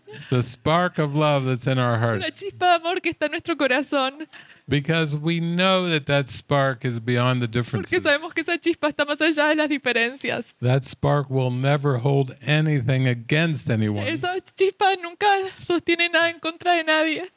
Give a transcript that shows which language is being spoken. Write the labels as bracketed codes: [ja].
[en] The spark of love that's in our heart. [es] La chispa de amor que está en nuestro corazón. [en] Because we know that that spark is beyond the differences. [es] Porque sabemos que esa chispa está más allá de las diferencias. [en] That spark will never hold anything against anyone. [es] Esa chispa nunca sostiene nada en contra de nadie.